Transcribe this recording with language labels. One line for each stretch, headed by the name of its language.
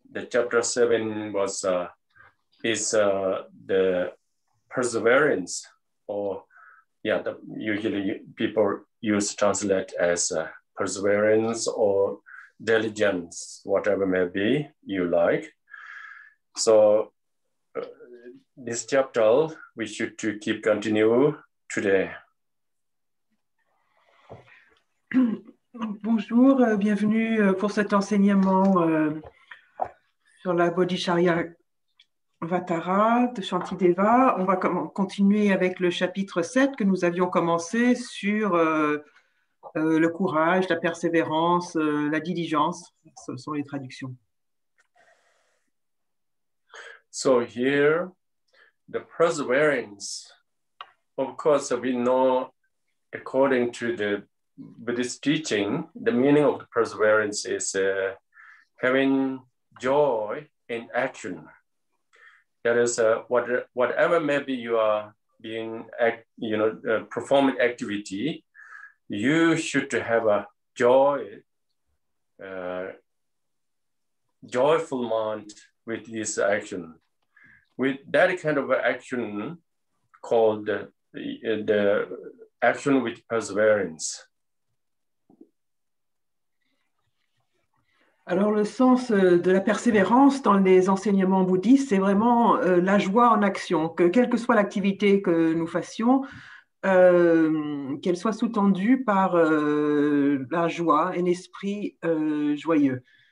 English: The chapter 7 is the perseverance, usually people use translate as perseverance or diligence, whatever may be you like. So this chapter we should to keep continue today.
French: Bonjour, bienvenue pour cet enseignement sur la Bodhicharya Avatara de Shantideva. On va continuer avec le chapitre 7 que nous avions commencé sur le courage, la persévérance, la diligence. Ce sont les traductions.
English: So here, the perseverance, of course, we know according to the Buddhist teaching, the meaning of the perseverance is having joy in action. That is whatever may be you are being performing activity, you should have a joyful mind with this action. With that kind of action called the action with perseverance.
French: Alors le sens de la persévérance dans les enseignements bouddhistes, c'est vraiment la joie en action, que quelle que soit l'activité que nous fassions, qu'elle soit sous-tendue par la joie, un esprit joyeux.